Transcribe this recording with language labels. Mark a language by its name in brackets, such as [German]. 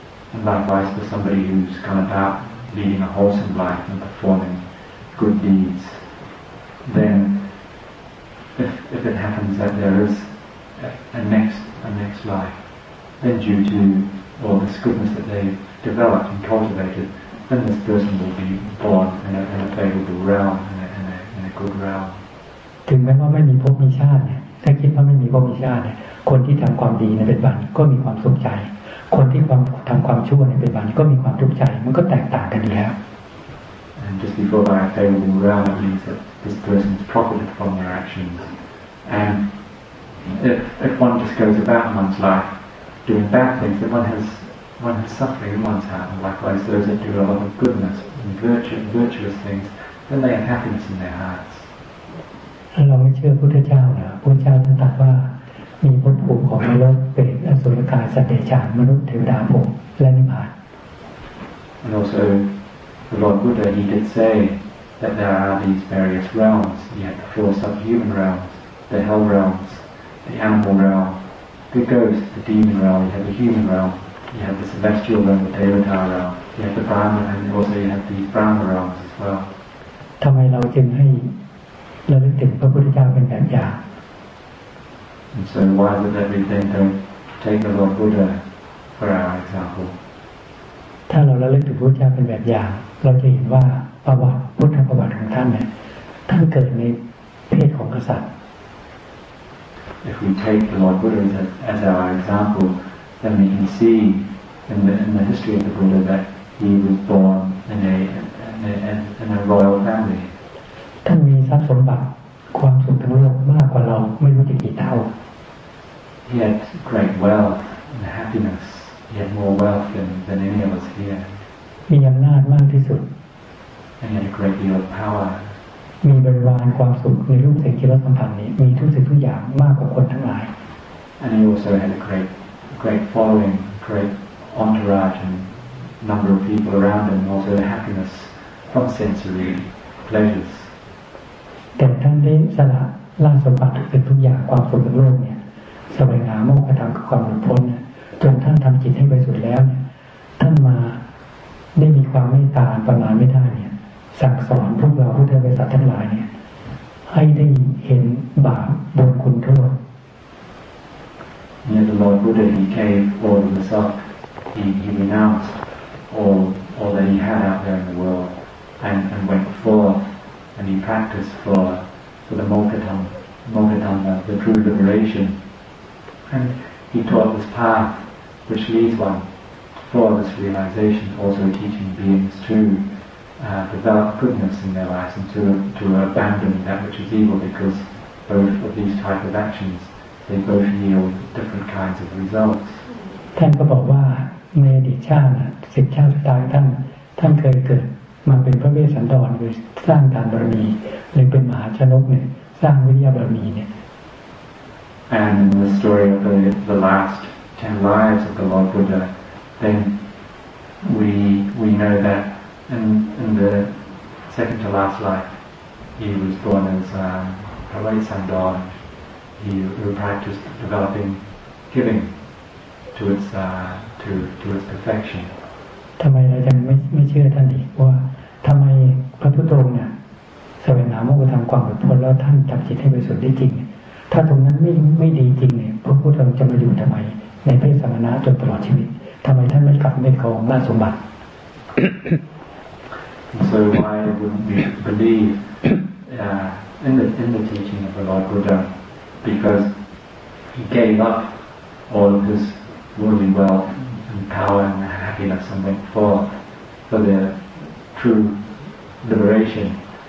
[English] And likewise for somebody who's gone about leading a wholesome life and performing good deeds, then if it happens that there is a next life, then due to all this goodness that they've developed and cultivated, then this person will be born in a favorable realm, in a good realm. [Thai] ถึงแม้ว่าไม่มีภพมีชาติเนี่ยถ้าคิดว่าไม่มีภพมีชาติเนี่ยคนที่ทำความดีในปัจจุบันก็มีความสุขใจคนที่ทำความชั่วในปัจจุบันก็มีความทุกข์ใจมันก็แตกต่างกันแล้ว [English] And just before by a favorable realm it means that this person has profited from their actions. And if one just goes about one's life doing bad things, then one has suffering in one's heart. And likewise, those that do a lot of goodness and virtuous things, then they have happiness in their hearts. [Thai] เราไม่เชื่อพุทธเจ้าเหรอพุทธเจ้าท่านตรัสว่ามีภพภูมิของนรกเปรตอสุรกายสัตว์เดรัจฉานมนุษย์เทวดาพรหมและนิพพาน [English] And also the Lord Buddha he did say that there are these various realms yet the four subhuman realms the hell realms the animal realm the ghost the demon realm you have the human realm you have the celestial realm the devata realm you have the brahma and also you have the brahma realms as well [Thai] ทำไมเราจึงให้เราถึงพระพุทธเจ้าเป็นแบบอย่าง [English] And so why is it that we then don't take the Lord Buddha for our example? [Thai] ถ้าเราระลึกถึงพระพุทธเจ้าเป็นแบบอย่างเราจะเห็นว่าประวัติพุทธประวัติของท่านเนี่ยท่านเกิดในเพศของกษัตริย์ [English] If we take the Lord Buddha as our example, then we can see in the history of the Buddha that he was born in a royal family. [Thai] ท่านมีทรัพย์สมบัติความสุขทั้งโลกมากกว่าเราไม่รู้จะกี่เท่า [English] He had great wealth and happiness. He had more wealth than any of us here. [Thai] มีอำนาจมากที่สุด [English] And he had a great deal of power. [Thai] มีบริวารความสุขในรูปเสียงคิดและสัมผัสนี้มีทุกสิ่งทุกอย่างมากกว่าคนทั้งหลาย [English] And he also had a great following, great entourage and number of people around him, also the happiness from sensory pleasures. [Thai] แต่ท่านได้สละราชสมบัติทุกอย่างความสุขทั้งโลกเนี่ยสวยงามมากกระทำกับความหลุดพ้นจนท่านทำจิตให้บริสุทธิ์แล้วเนี่ยท่านมาได้มีความเมตตาประมาณไม่ได้เนี่ยสั่งสอนพวกเราพุทธบริษัททั้งหลายเนี่ยให้ได้เห็นบาปบนคุณโทษ [English] เนี่ย The Lord Buddha he gave all the stuff he renounced all that he had out there in the world and went forthAnd he practiced for the mokkha-dhamma, the true liberation. And he taught this path, which leads one for this realization, also teaching beings to develop goodness in their lives and to abandon that which is evil, because both of these type of actions, they both yield different kinds of results. [Thai] ท่านก็บอกว่าในอดีตชาติ10ชาติสุดท้ายท่านเคยเกิดมันเป็นพระเวสสันดรคือสร้างทานบารมีหรือเป็นมหาชนกเนี่ยสร้างวิริยะบารมีเนี่ย [English] And in the story of the last 10 lives of the Lord Buddha then we know that in the second to last life he was born as Pravesandhan he practiced developing giving towards perfection. [Thai] ทำไมเราจะไม่เชื่อท่านอีกว่าทำไมพระพุทธองค์เนี่ยสวนามุกธรรมความหลุดพ้นแล้วท่านจับจิตให้บริสุทธิ์ได้จริงถ้าตรงนั้นไม่ดีจริงเนี่ยพระพุทธองค์จะมาอยู่ทำไมในเพศสมณะจนตลอดชีวิตทำไมท่านไม่กลับไม่ครองราชสมบัติ [English] So why wouldn't we believe in the teaching of the Lord Buddha? Because he gave up all of his worldly wealth and power and happiness and went for the true liberation.